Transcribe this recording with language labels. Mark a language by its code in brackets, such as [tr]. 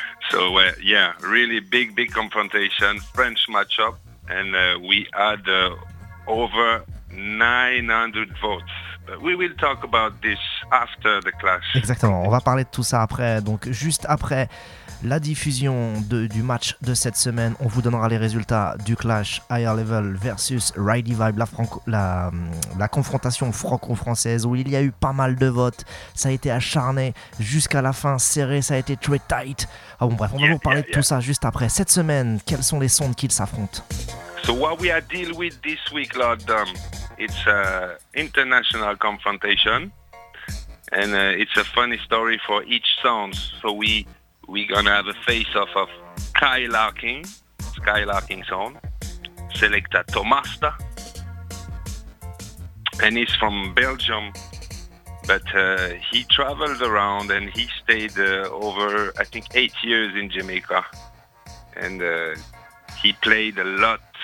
[en] So, really big confrontation, French matchup, and we had over 900 votes. We will talk about this after the clash. [fr] Exactement, on va parler de tout ça après. Donc juste après la diffusion du match de cette semaine, on vous donnera les résultats du clash Higher Level versus Ridey Vibe, la confrontation franco-française où il y a eu pas mal de votes. Ça a été acharné jusqu'à la fin, serré, ça a été très tight. Ah bon, bref, on va vous parler de tout ça juste après. Cette semaine, quels sont les sondes qu'ils s'affrontent? [en] So what we are dealing with this week, Lord Dom, it's an international confrontation, and it's a funny story for each sound. So we're going to have a face-off of Skylarking sound, Selecta Tomasta, and he's from Belgium, but he traveled around and he stayed over, I think, 8 years in Jamaica, and he played a lot.